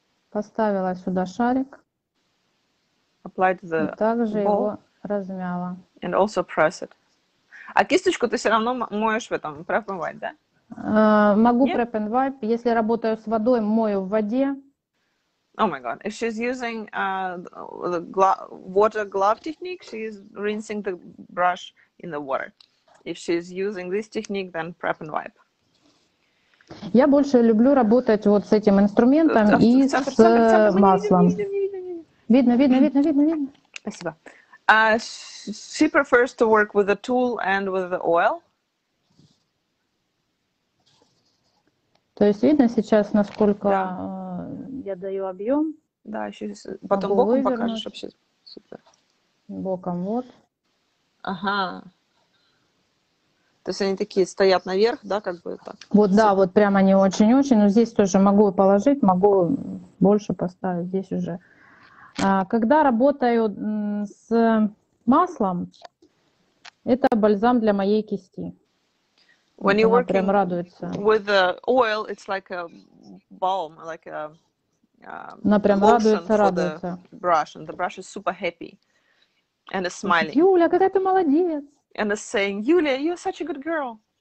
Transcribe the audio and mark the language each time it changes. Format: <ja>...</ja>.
<ru>Поставила сюда шарик.</ru> <en>Applied the ball.</en> <ru>Также его размяла.</ru> <en>And also press it.</en> <ru>А кисточку ты все равно моешь в этом, prep and wipe, да? Могу prep and wipe. Если работаю с водой, мою в воде.</ru> <en>Oh my god. If she's using the water glove technique, she's rinsing the brush in the water. If she's using this technique, then prep and wipe.</en> <ru>Я больше люблю работать вот с этим инструментом и с маслом. Видно. Спасибо.</ru> <en>She prefers to work with the tool and with the oil.</en> <ru>То есть видно сейчас, насколько я даю объем. Да, еще потом боком покажешь вообще. Супер. Боком вот. Ага. То есть они такие стоят наверх, да, как бы так? Вот, да, вот прямо они очень-очень. Но здесь тоже могу положить, могу больше поставить здесь уже. Когда работаю с маслом, это бальзам для моей кисти.</ru> <en>When you're working</en> <ru>прям радуется.</ru> <en>With the oil, it's like a balm, like a</en> <ru>она прям радуется.</ru> <en>The brush, and the brush is super happy and is smiling.</en> <ru>Юля, какая ты молодец!</ru> <en>And is saying, Юля, you're such a good girl.</en>